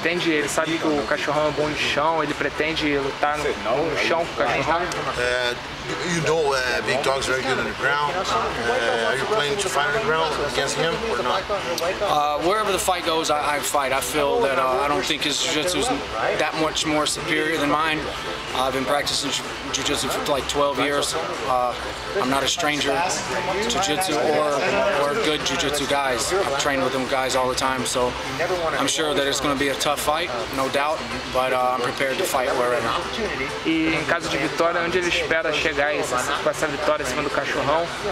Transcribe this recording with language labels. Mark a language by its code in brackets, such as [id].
[pt] ele sabe que o cachorrão é bom no chão, ele pretende lutar no chão com o cachorrão? [en] You know big dogs are very good on the ground. Are you planning to fight on the ground against him or not? Wherever the fight goes, I fight. I feel that I don't think his jiu-jitsu is that much more superior than mine. I've been practicing jiu-jitsu for like 12 years. I'm not a stranger to jiu-jitsu or good jiu-jitsu guys. I've trained with them guys all the time, so I'm sure that it's going to be a tough fight, no doubt, but I'm prepared to fight wherever. [pt] E em caso de vitória, onde ele espera chegar com essa vitória em cima do cachorrão?